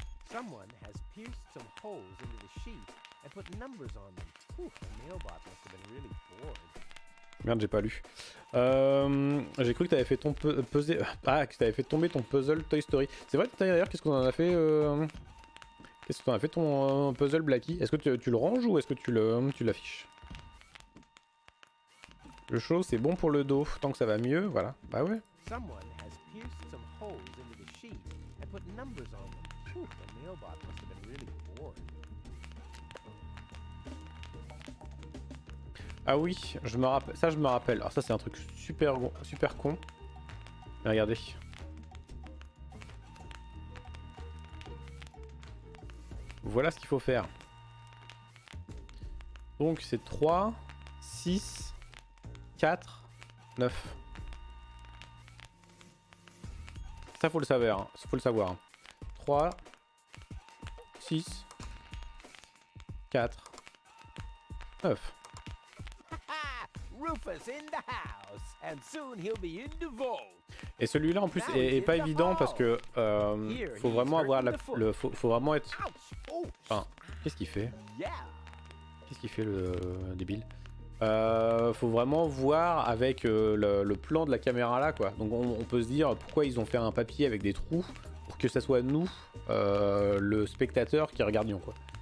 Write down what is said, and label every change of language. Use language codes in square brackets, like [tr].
[en] Someone has pierced some holes into the sheet and put numbers on them. Ouh, the mailbot must have been really bored. [fr] Merde, j'ai pas lu. J'ai cru que t'avais fait ton que t'avais fait tomber ton puzzle Toy Story. C'est vrai que d'ailleurs, qu'est-ce qu'on en a fait Qu'est-ce que t'en as fait ton puzzle Blacky? Est-ce que tu le ranges ou est-ce que tu l'affiches? Le chaud, c'est bon pour le dos, tant que ça va mieux, voilà. Bah ouais. [en] Someone has pierced some holes into the sheet and put numbers on them. Ouh, the mailbot must have been really bored. [fr] Ah oui, je me rappelle. Alors ça c'est un truc super super con. Mais regardez. Voilà ce qu'il faut faire. Donc c'est 3, 6, 4, 9. Ça faut le savoir. Hein. Faut le savoir. Hein. 3, 6, 4, 9. [en] Rufus in the house, and soon he'll be in the vault. [fr] Et celui-là en plus est pas évident parce que faut vraiment avoir faut vraiment être. Enfin, qu'est-ce qu'il fait? Qu'est-ce qu'il fait le débile? Faut vraiment voir avec le plan de la caméra là quoi. Donc on peut se dire pourquoi ils ont fait un papier avec des trous pour que ça soit nous le spectateur qui regardions quoi.